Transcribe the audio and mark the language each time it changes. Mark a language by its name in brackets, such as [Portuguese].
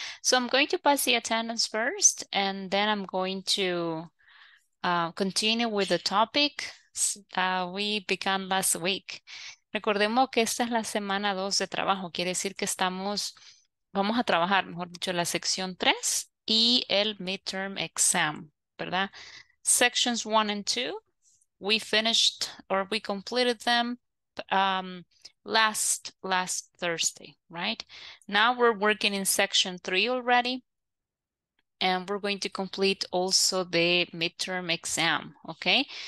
[English] So I'm going to pass the attendance first, and then I'm going to continue with the topic that we began last week. [Spanish] Recordemos que esta es la semana 2 de trabajo. Quiere decir que vamos a trabajar, mejor dicho, la sección 3 y el midterm exam, ¿verdad? [English] Sections 1 and 2, we finished or we completed them. Last Thursday, right? Now we're working in section 3 already, and we're going to complete also the midterm exam, okay?